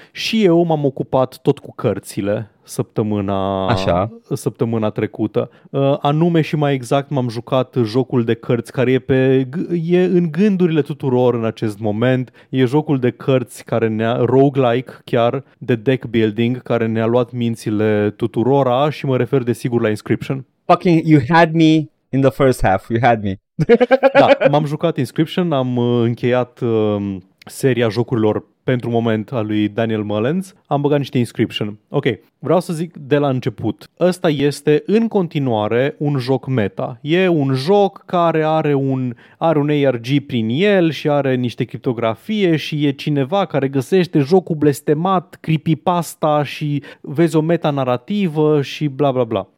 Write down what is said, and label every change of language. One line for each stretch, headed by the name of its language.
Romanian: Și eu m-am ocupat tot cu cărțile săptămâna trecută. Anume și mai exact m-am jucat jocul de cărți care e în gândurile tuturor în acest moment. E jocul de cărți care ne-a roguelike, chiar de deck building, care ne-a luat mințile tuturora și mă refer desigur la Inscription.
English: Fucking you had me in the first half. You had me.
Romanian: Da, m-am jucat Inscription, am încheiat seria jocurilor pentru moment a lui Daniel Mullins, am băgat niște Inscription. Ok, vreau să zic de la început. Ăsta este în continuare un joc meta. E un joc care are un ARG prin el și are niște criptografie și e cineva care găsește jocul blestemat, creepypasta și vezi o meta-narrativă și bla bla bla.